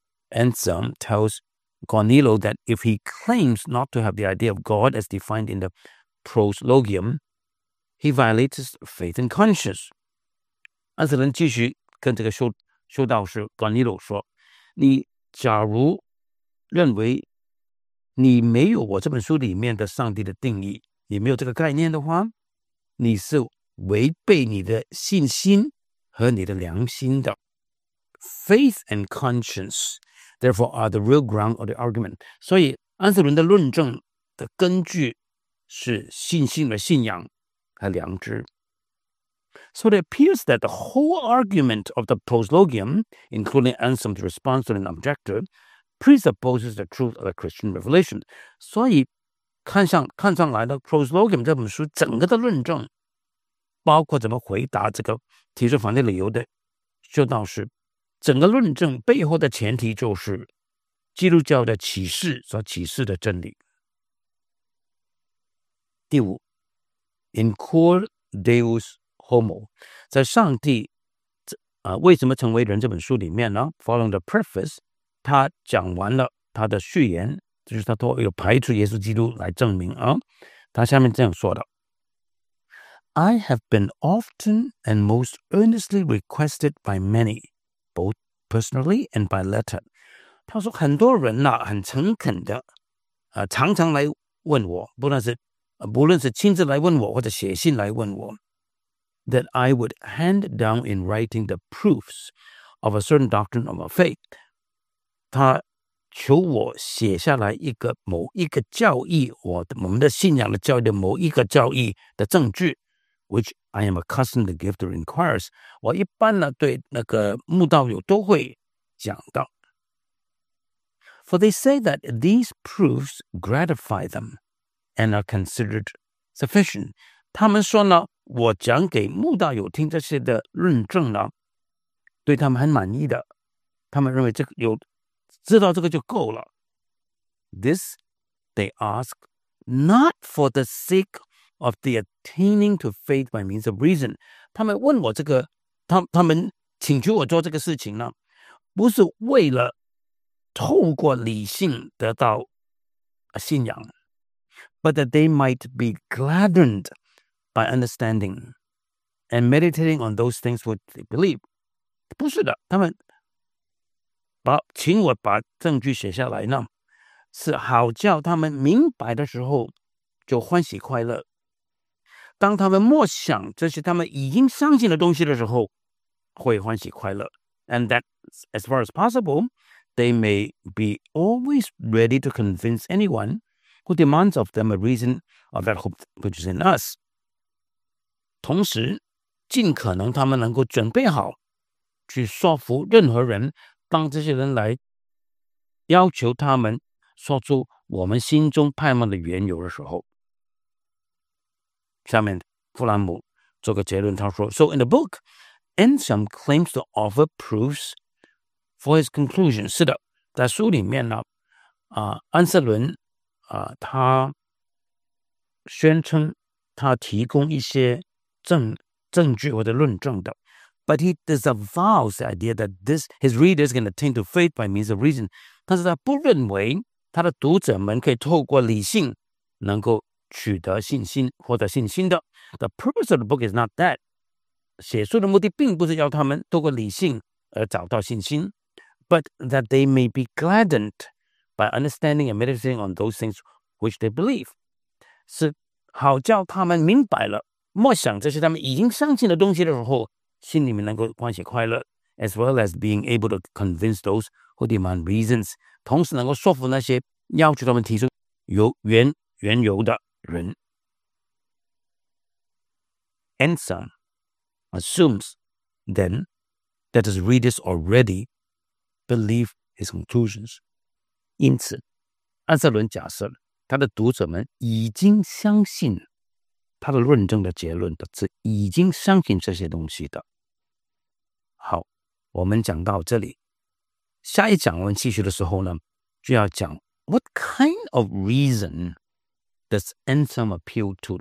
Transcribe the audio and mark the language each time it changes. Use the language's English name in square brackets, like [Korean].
[English] Anselm tells Gonillo that if he claims not to have the idea of God as defined in the proslogium, he violates his faith and conscience. [Chinese] 安瑟伦继续跟这个 修道士 Gonillo 说，你假如认为你没有我这本书里面的上帝的定义，你没有这个概念的话，你是违背你的信心和你的良心的。 [English] Faith and conscience therefore are the real ground of the argument. [Chinese] 所以安瑟伦的论证的根据是信心和信仰和良知。 [English] So it appears that the whole argument of the proslogium, including Anselm's response to an objector, presupposes the truth of the Christian revelation. [Chinese] 所以看上来的 proslogium 这本书整个的论证，包括怎么回答这个提出反对理由的修道士，整个论证背后的前提就是基督教的启示所启示的真理。第五 In cor Deus Homo 在上帝、为什么成为人这本书里面呢， [English] Following the preface [Chinese] 他讲完了他的序言，就是他说有排除耶稣基督来证明、他下面这样说的， [English] I have been often and most earnestly requested by many, both personally and by letter. [Chinese] 他说很多人、很诚恳的、常常来问我，不论是亲自来问我或者写信来问我， [English] that I would hand down in writing the proofs of a certain doctrine of a faith. [Chinese] 他求我写下来一个某一个教义，我们的信仰的教义的某一个教义的证据， [English] which I am accustomed to give to inquirers. [Chinese] 我一般呢对那个慕道友都会讲到。 For they say that these proofs gratify them and are considered sufficient. 他们说呢，我讲给慕道友听这些的论证呢，对他们很满意的，他们认为这个有，知道这个就够了。 This they ask not for the sake of the attaining to faith by means of reason. 他们问我这个 他们请求我做这个事情呢，不是为了透过理性得到信仰， [English] but that they might be gladdened by understanding and meditating on those things which they believe. [Chinese] 不是的，他们请我把证据写下来呢，是好叫他们明白的时候就欢喜快乐，当他们默想这些他们已经相信的东西的时候会欢喜快乐。 [English] And that as far as possible, they may be always ready to convince anyone who demands of them a reason of that hope which is in us. [Chinese] 同时尽可能他们能够准备好去说服任何人，当这些人来要求他们说出我们心中盼望的缘由的时候。下面弗兰姆做个结论，他说 [English] So in the book, Anselm claims to offer proofs for his conclusion. [Chinese] 是的，在书里面呢、安瑟伦、他宣称他提供一些证据或者论证的， [English] But he disavows the idea that this his reader is going to attain to faith by means of reason. [Chinese] 但是他不认为他的读者们可以透过理性能够取得信心或者信心的。 [English] The purpose of the book is not that. [Chinese] 写书的目的并不是要他们透过理性而找到信心。 [English] But that they may be gladdened by understanding and meditating on those things which they believe. [Chinese] 是好叫他们明白了默想这些他们已经相信的东西的时候心里面能够欢喜快乐 [English] as well as being able to convince those who demand reasons, [Chinese] 同时能够说服那些要求他们提出缘由的人。 [English] Anson assumes then that his readers already believe his conclusions. [Chinese] 因此安瑟伦假设他的读者们已经相信他的论证的结论的是已经相信这些东西的。好，我们讲到这里，下一讲我们继续的时候呢，就要讲 [English] What kind of reason does Anselm appeal to?